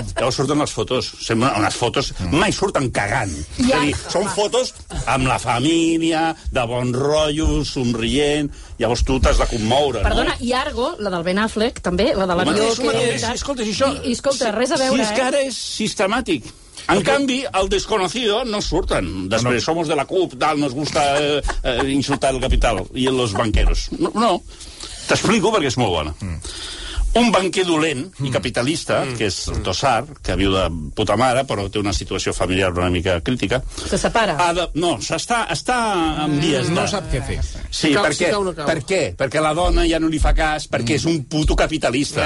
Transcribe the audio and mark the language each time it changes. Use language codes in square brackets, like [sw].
[ca] Llavors surten les fotos. Semblen unes fotos, mai surten cagant. És a dir, són fotos amb la família, de bon rotllo, somrient... Llavors tu t'has de commoure, perdona, Perdona, i Argo, la del Ben Affleck, també, la de l'avió... Escolta, si això... Escolta, res a veure, si és que ara és sistemàtic. En canvi, el desconocido no surten. [es] Després, somos de la CUP, tal, nos gusta insultar el capital i los banqueros. [ca] No. T'explico, perquè és molt bona. Un banquer dolent i capitalista, que és el Tossar, que viu de puta mare, però té una situació familiar una mica crítica... Se separa. No, està en vies de... No sap què fer. Sí, per què? Perquè la dona ja no li fa cas, perquè és un puto capitalista.